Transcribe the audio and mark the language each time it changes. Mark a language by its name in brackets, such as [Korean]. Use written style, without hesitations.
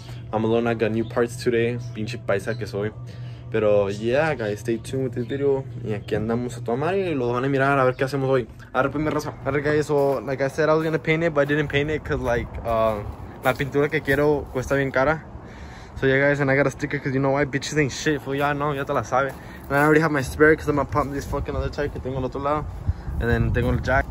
[English] I'm alone, I got new parts today. [Spanish] Pinche paisa que soy. [English] Pero yeah, guys, stay tuned with this video. [Spanish] Y aquí andamos a tomar y lo van a mirar a ver qué hacemos hoy. Ahora pues mi raza. [English] Alright, guys, so like I said, I was gonna paint it, but I didn't paint it because, like, [Spanish] la pintura que quiero cuesta bien cara. [English] So yeah, guys, and I got a sticker because you know why, bitches ain't shit. Fool, y'all know, [Spanish] ya te la sabe. [English] And I already have my spare because I'm gonna pump this fucking other tire [Spanish] que tengo al otro lado. [English] And then [Spanish] tengo el jack.